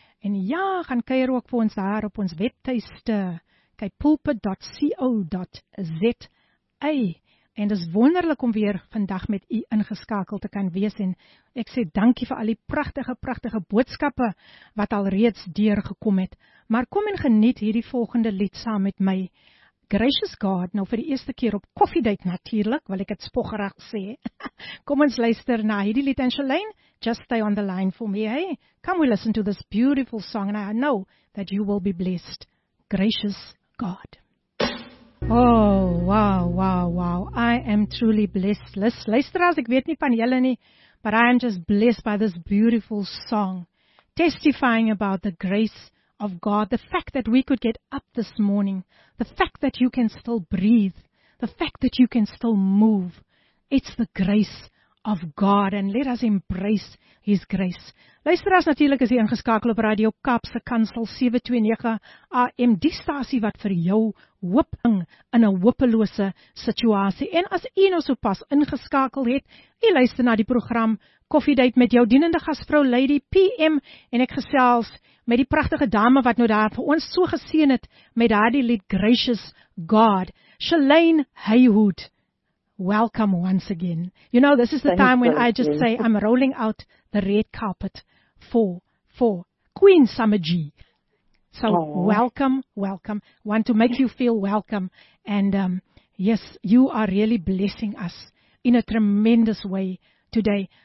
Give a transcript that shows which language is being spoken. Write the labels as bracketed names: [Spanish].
[Afrikaans] En ja, gaan kuier ook vir ons daar op ons webtuiste. kypulpit.co.za. En dis wonderlik om weer vandag met u ingeskakel te kan wees. En ek sê dankie vir al die pragtige, pragtige boodskappe wat al reeds deurgekom het. Maar kom en geniet hierdie volgende lied saam met my. Gracious God, nou vir die eerste keer op koffiedate natuurlik, wil ek het spoggerig sê. Kom ons luister na hierdie lied en [English] Shalane, just stay on the line for me, hey? Come we listen to this beautiful song and I know that you will be blessed. Gracious God. Oh, wow. I am truly blessed. [Afrikaans] Luister as ek weet nie van julle nie, [English] but I am just blessed by this beautiful song. Testifying about the grace of God, the fact that we could get up this morning, the fact that you can still breathe, the fact that you can still move, it's the grace of God, and let us embrace His grace. [Afrikaans] Luisteraars, natuurlik is jy ingeskakel op Radio Kaapse Kansel 729 AM, die stasie wat vir jou hoop bring in 'n hopelose situasie. En as jy nou so pas ingeskakel het, jy luister na die program Koffiedate met jou dienende gasvrou Lady PM, en ek gesels met die pragtige dame wat nou daar vir ons so geseën het met daardie lied Gracious God, Shalane Hayhood. [English] Welcome once again. You know, this is the time when I just say I'm rolling out the red carpet for Queen Summer G. So welcome. Want to make you feel welcome. And yes, you are really blessing us in a tremendous way today.